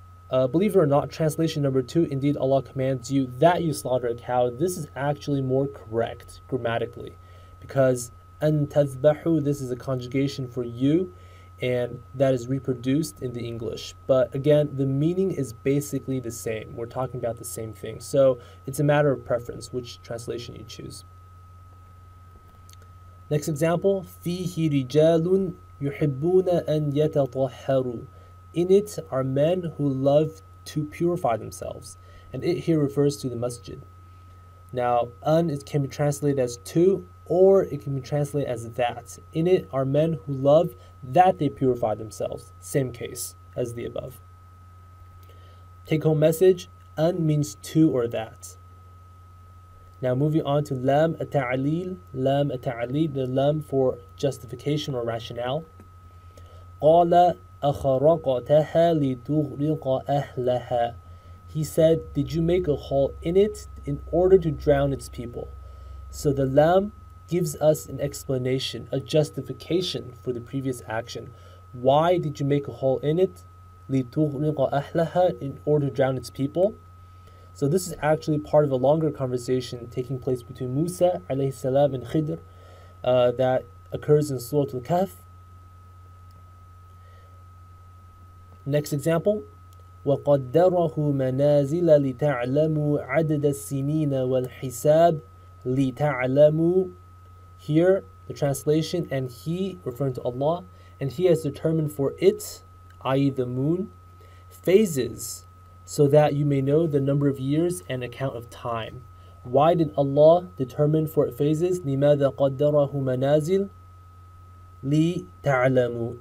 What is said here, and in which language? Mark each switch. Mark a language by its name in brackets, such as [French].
[English] Believe it or not, translation number two, indeed Allah commands you that you slaughter a cow, this is actually more correct grammatically, because [Arabic] أن تذبحوا, [English] this is a conjugation for you, and that is reproduced in the English. But again, the meaning is basically the same. We're talking about the same thing. So it's a matter of preference which translation you choose. Next example, [Arabic] فِيهِ رِجَالٌ يُحِبُّونَ أَنْ يَتَطَحَّرُوا. [English] In it are men who love to purify themselves. And it here refers to the masjid. Now, an, it can be translated as to, or it can be translated as that. In it are men who love that they purify themselves. Same case as the above. Take home message, an means to or that. Now moving on to lam at-ta'lil, lam at-ta'lil, the lam for justification or rationale. [Arabic] قَالَ أَخَرَقَتَهَا لِتُغْرِقَ أَهْلَهَا. [English] He said, did you make a hole in it in order to drown its people? So the lam gives us an explanation, a justification for the previous action. Why did you make a hole in it? [Arabic] لِتُغْرِقَ أَهْلَهَا, [English] in order to drown its people. So this is actually part of a longer conversation taking place between Musa alayhi salam and Khidr that occurs in Surah Al-Kahf. Next example, [Arabic] وَقَدَّرَهُ مَنَازِلَ لِتَعْلَمُوا عَدَدَ السِّنِينَ وَالْحِسَابِ لِتَعْلَمُوا. [English] Here, the translation, and he, referring to Allah, and he has determined for it, i.e. the moon, phases, so that you may know the number of years and account of time. Why did Allah determine for it phases? [Arabic] لِمَاذَا قَدَّرَهُ مَنَازِلَ لِتَعْلَمُوا.